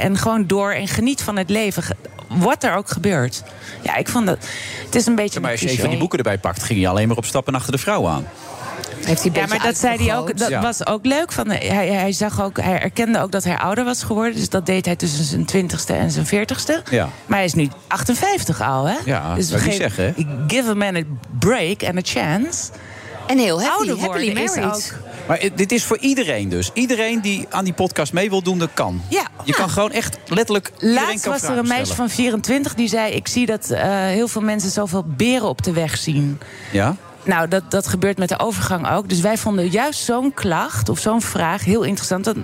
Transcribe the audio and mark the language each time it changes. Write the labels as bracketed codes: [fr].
[nl] En gewoon door en geniet van het leven. Wat er ook gebeurt. Ja, ik vond dat, het is een beetje Maar als je even die boeken erbij pakt, ging je alleen maar op stappen achter de vrouw aan. Heeft hij ja, maar dat zei hij ook. Dat was ook leuk. Hij erkende ook dat hij ouder was geworden. Dus dat deed hij tussen zijn 20ste en zijn 40ste. Ja. Maar hij is nu 58 al, hè? Ja, dus dat kan je zeggen. [en] Give a man a break and a chance. [nl] En heel happy. Ouder worden [en] happily married. [nl] Maar dit is voor iedereen dus. Iedereen die aan die podcast mee wil doen, dat kan. Ja. Je kan gewoon echt letterlijk Laatst was er een meisje van 24 die zei, ik zie dat heel veel mensen zoveel beren op de weg zien. Ja. Nou, dat gebeurt met de overgang ook. Dus wij vonden juist zo'n klacht of zo'n vraag heel interessant.